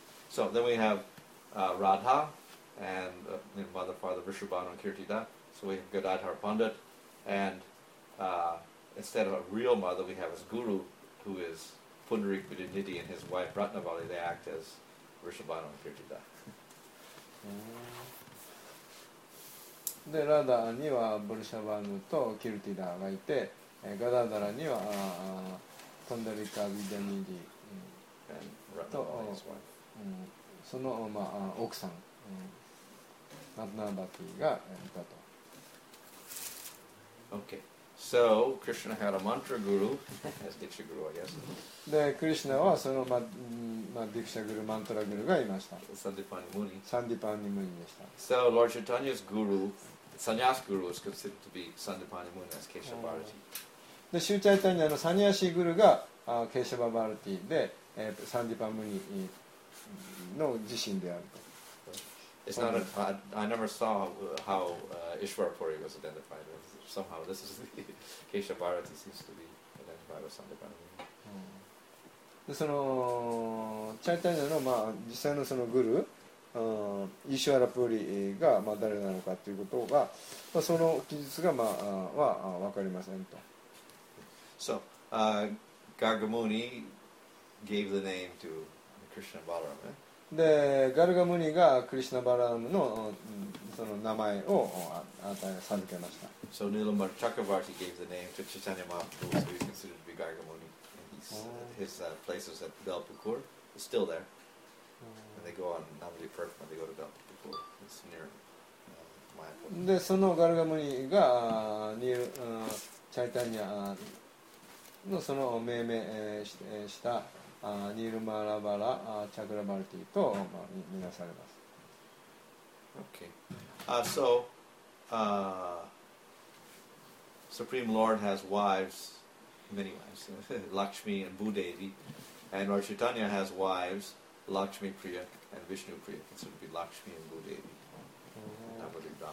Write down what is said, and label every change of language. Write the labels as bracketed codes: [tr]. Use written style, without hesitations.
[en] So then we have Radha and mother, father, Vrishabhanu and Kirtida. So we have Gadadhar Pandit, and instead of a real mother we have his guru, who is Pundarik Vidyanidhi, and his wife Ratnavali, they act as Vrishabhanu and Kirtida. [ja] で、ラダにはブルシャバヌとキルティダがいて、ガダダラにはトンダリカ・ビデニディと、その、まあ、奥さん、マトナバティがいたと。 [en] Okay. So, Krishna had a mantra guru, as Diksha guru, I guess. [ja] で、クリシナはその、まあ、ディクシャグル、マントラグルがいました。サンディパニムニでした。 [en] So, Lord Chaitanya's guru,Sannyas Guru is considered to be Sandipani Muni as Kesha Bharati. [ja] The Shri Chaitanya の Sannyasi Guru が Kesha Bharati で Sandipani Muni の自身であると。 [en] It's not a, I never saw how Ishwarapuri was identified as somehow this is the Kesha Bharati seems to be identified with Sandipani Muni. [ja] でその Chaitanya のまあ実際のそのグルーイシュアラプーリが、まあ、誰なのかということが、まあ、その記述が、まあ、は分かりませんと。 [en] So, ガルガムニ gave the name to Krishna Balaram. [ja] で、ガルガムニがクリシュナ・バラムの、その名前を授けました。 [en] So, Nilambar Chakravarti gave the name to Chaitanya Mahaprabhu, who is considered to be ガルガムニ. His place was at Belpakur, still there. And they go on Namdi Perkham, they go to Belpakur. It's near Mayapur. [ja] で、そのガルガムニが、ニール、チャイタニアのその命名した、ニールマラバラ、チャクラバルティと、まあ、見なされます。 [en] Okay. So, Supreme Lord has wives, many wives, Lakshmi and Bhudevi, and Lord Chaitanya has wives. Lakshmi Priya and Vishnu Priya, considered to be Lakshmi and Bhudevi. Mm-hmm.